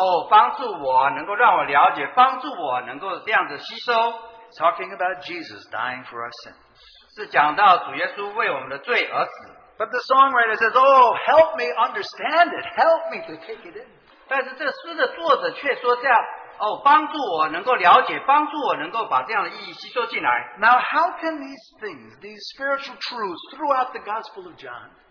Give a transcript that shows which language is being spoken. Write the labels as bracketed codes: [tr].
[zh] 帮助我能够让我了解，帮助我能够这样子吸收。 [en] Talking about Jesus dying for our sins. [zh] 是讲到主耶稣为我们的罪而死。 [en] But the songwriter says, "Oh, help me understand it. Help me to take it in." [zh] 但是这诗的作者却说这样，帮助我能够了解，帮助我能够把这样的意义吸收进来。 [en] Now, how can these things, these spiritual truths throughout the Gospel of John?